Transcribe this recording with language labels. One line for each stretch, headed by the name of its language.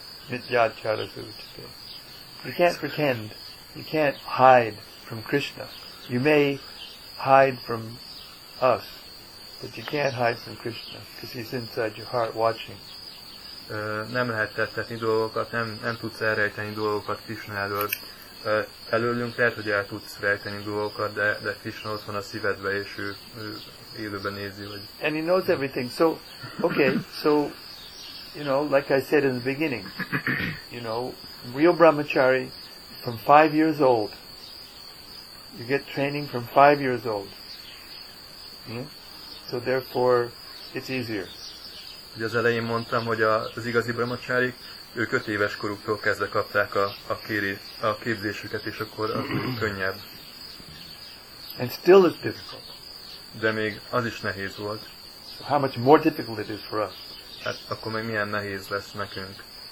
English: You can't pretend, you can't hide from Krishna. You may hide from us, but you can't hide from Krishna, because he's inside your heart watching.
Hungarian: Nem lehet tettetni dolgokat, nem tudsz elrejteni dolgokat Krishnáról. Előlünk lehet, hogy el tudsz rejteni dolgokat, de Krishna ott van a szívedbe, és ő élőben nézi, hogy...
English: And he knows everything. So, okay, so, you know, like I said in the beginning, you know, real brahmachari, from 5 years old, you get training from 5 years old. So therefore, it's easier.
Hungarian: Ugye az elején mondtam, hogy az igazi brahmachari, ők 5 éves koruktól kezdve kapták a képzésüket, és akkor az könnyebb.
English: And still it's difficult.
Hungarian: De még az is nehéz volt.
English: So how much more difficult it is for us.
Hungarian: Hát akkor még milyen nehéz lesz nekünk.